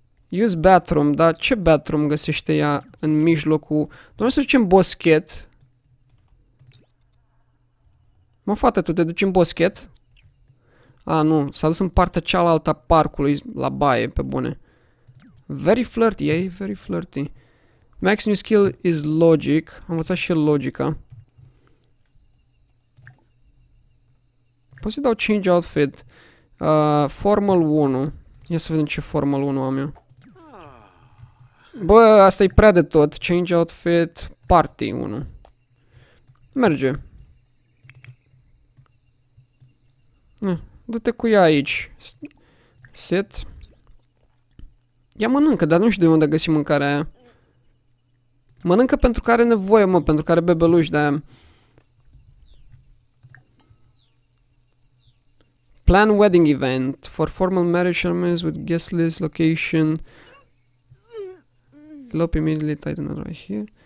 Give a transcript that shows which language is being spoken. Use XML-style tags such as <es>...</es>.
<en>Use bathroom,</en> <ro>dar ce bathroom găsește ea în mijlocul? Doamne, să zicem boschet. Mă, fată, tu te duci în boschet? A, nu, s-a dus în partea cealaltă a parcului, la baie, pe bune.</ro> <en>Very flirty, ei, very flirty. Max new skill is logic.</en> <ro>Am învățat și logica. Poți să-i dau</ro> <en>change outfit.</en> <ro>Formal 1. Ia să vedem ce formal 1 am eu. Bă, asta e prea de tot.</ro> <en>Change outfit, party 1.</en> <ro>Merge. Du-te cu ea aici. Set. Ea mănâncă, dar nu știu de unde găsim mâncarea aia. Mănâncă pentru că are nevoie, mă, pentru că are bebeluș de aia.</ro> <en>Plan wedding event for formal marriage ceremonies with guest list location. Lop immediately, tighten it right here.</en>